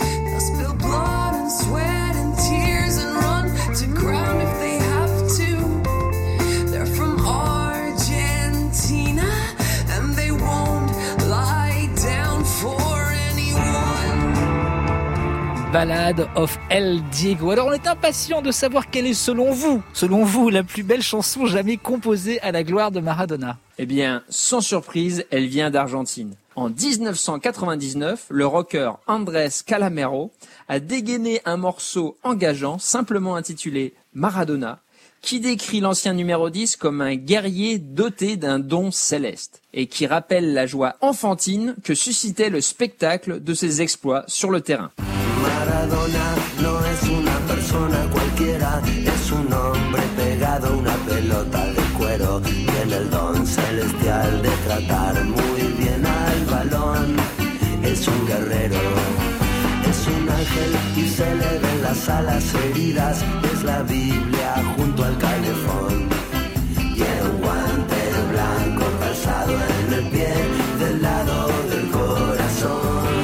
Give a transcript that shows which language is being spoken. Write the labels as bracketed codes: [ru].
[en] They'll spill blood and sweat and tears and run to ground if they have to. They're from Argentina and they won't lie down for anyone. Ballad of El Diego. [fr] Alors, on est impatients de savoir quelle est, selon vous, la plus belle chanson jamais composée à la gloire de Maradona. Eh bien, sans surprise, elle vient d'Argentine. En 1999, le rocker Andrés Calamaro a dégainé un morceau engageant, simplement intitulé Maradona, qui décrit l'ancien numéro 10 comme un guerrier doté d'un don céleste et qui rappelle la joie enfantine que suscitait le spectacle de ses exploits sur le terrain. [es] Maradona no es una persona cualquiera, es un hombre pegado a una pelota de cuero, tiene el don celestial de tratar muy bien al balón, es un guerrero, es un ángel y se le ven las alas heridas, es la Biblia junto al calefón, y el guante blanco calzado en el pie del lado del corazón.